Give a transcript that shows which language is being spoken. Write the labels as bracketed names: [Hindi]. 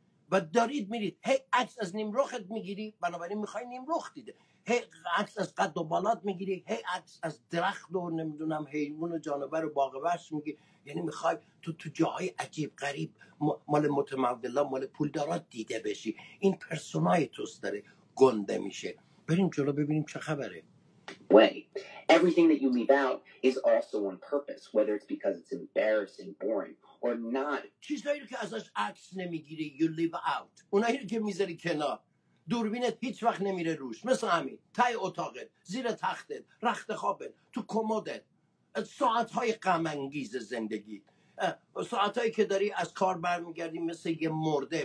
[Persian] و دارید میرید هی عکس از نیمروخت میگیری بنابراین میخوای نیمروخ دیده هی عکس از قد و بالات میگیری هی عکس از درخت و نمیدونم حیوان و جانور و باغ وحش میگیری یعنی میخوای تو جاهای عجیب غریب مال متمولا مال پولدارات دیده بشی این پرسونای توست داره گنده میشه بریم جلو ببینیم چه خبره [English] Way. Everything that you leave out is also on purpose, whether it's because it's embarrassing, boring, or not. [Persian] چیزایی رو که ازش عکس نمیگیری [English] you leave out. [Persian] اونایی رو که میذاری کنار. دوربینت هیچ وقت نمیره روش. مثل همین. تای اتاقت. زیر تختت. رخت خوابت. تو کمدت. ساعتهای غم‌انگیز زندگی. ساعتهایی که داری از کار برمیگردی مثل یه مرده.